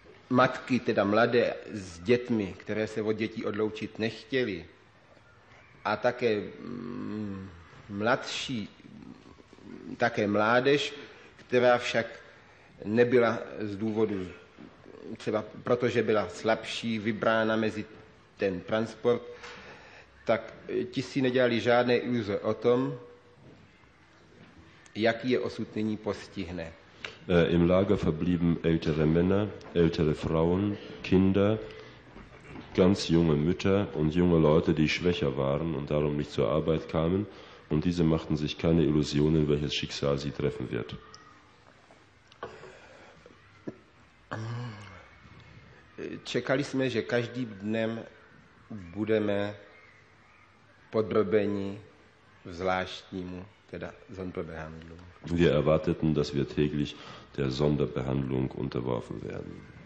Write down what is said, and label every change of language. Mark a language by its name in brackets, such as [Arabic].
[Czech] matky, teda mladé s dětmi, které se od dětí odloučit nechtěli, a také mladší, také mládež, která však nebyla z důvodu, třeba protože byla slabší, vybrána mezi ten transport, tak ti si nedělali žádné iluze o tom, jaký je osud nyní postihne. [German] Im Lager verblieben ältere Männer, ältere Frauen, Kinder, ganz junge Mütter und junge Leute, die schwächer waren und darum nicht zur Arbeit kamen, und diese machten sich keine Illusionen, welches Schicksal sie treffen wird. [Czech] Čekali jsme, že každým dnem budeme podrobeni zvláštnímu, teda Sonderbehandlung. [German] Wir erwarteten, dass wir täglich der Sonderbehandlung unterworfen werden.